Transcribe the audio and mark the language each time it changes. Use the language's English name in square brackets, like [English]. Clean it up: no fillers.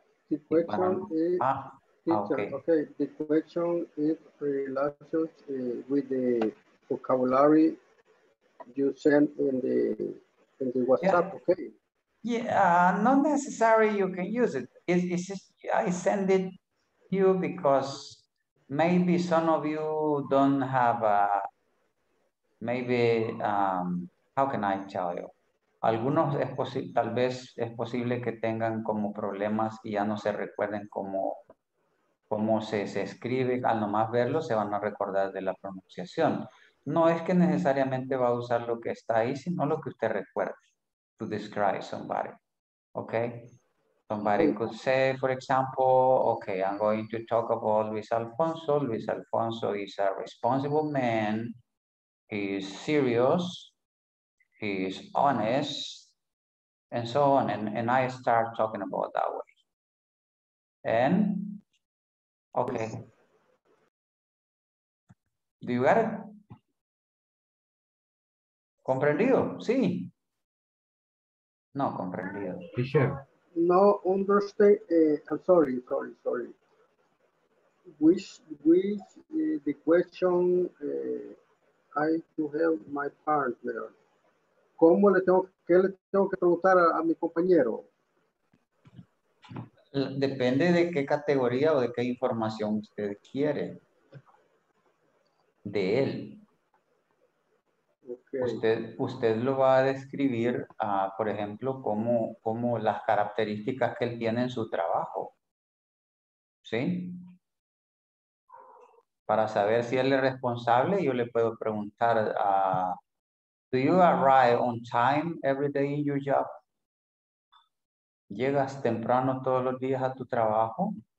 [English] The question is, okay, the question is related with the vocabulary you sent in the WhatsApp, yeah. Okay? Yeah, not necessary, you can use it. It's just, I send it to you because maybe some of you don't have a, maybe, how can I tell you? [Spanish] Algunos es posible, tal vez es posible que tengan como problemas y ya no se recuerden cómo, cómo se, se escribe. Al nomás verlo, se van a recordar de la pronunciación. No es que necesariamente va a usar lo que está ahí, sino lo que usted recuerde. [English] To describe somebody. Okay? Somebody could say, for example, okay, I'm going to talk about Luis Alfonso. Luis Alfonso is a responsible man. He is serious. He is honest, and so on. And I start talking about that way. And, okay. Do you get it? [Spanish] Comprendido, sí. No, comprendido. [English] Teacher. No, understand, I'm sorry, sorry, sorry. Which the question I to help my partner. [Spanish] ¿Cómo le tengo, qué le tengo que preguntar a mi compañero? Depende de qué categoría o de qué información usted quiere de él. Okay. Usted, usted lo va a describir, por ejemplo, como, como las características que él tiene en su trabajo. ¿Sí? Para saber si él es responsable, yo le puedo preguntar a... [English] Do you arrive on time every day in your job? [Spanish] ¿Llegas temprano todos los días a tu trabajo?